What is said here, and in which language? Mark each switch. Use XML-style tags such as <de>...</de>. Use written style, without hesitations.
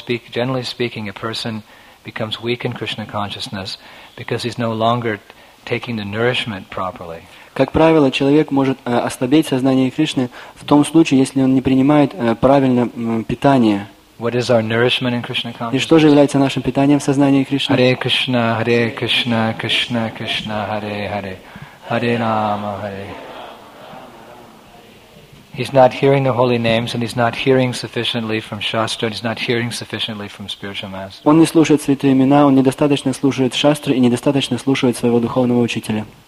<en>Generally speaking, a person becomes weak in Krishna consciousness because he's no longer taking the nourishment properly.</en> <ru>Как правило, человек может ослабеть сознание Кришны в том случае, если он не принимает правильно питание.</ru> <en>What is our nourishment in Krishna consciousness?</en> <ru>И что же является нашим питанием в сознании Кришны?</ru> <sa>Hare Krishna, Hare Krishna, Krishna Krishna, Hare Hare, Hare Rama, Hare.</sa> <en>He's not hearing the holy names, and he's not hearing sufficiently from Shastra, and he's not hearing sufficiently from spiritual master.</en> <ru>Он не слушает святые имена, он недостаточно слушает Шастры и недостаточно слушает своего духовного учителя.</ru>